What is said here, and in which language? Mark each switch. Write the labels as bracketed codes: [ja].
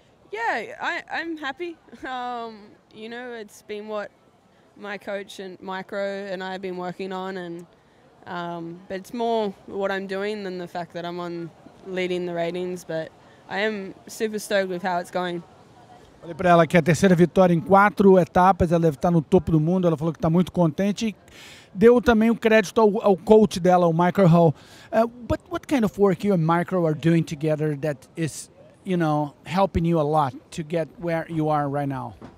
[en] Yeah, I'm happy. You know, it's been what my coach and Micro and I have been working on, and but it's more what I'm doing than the fact that I'm on leading the ratings, but I am super stoked with how it's going. [pt] Falei para ela que é a terceira vitória em 4 etapas, ela deve estar no topo do mundo, ela falou que está muito contente. Deu também o crédito ao coach dela, o Michael Hall. [en] But what kind of work you and Michael are doing together that is, you know, helping you a lot to get where you are right now?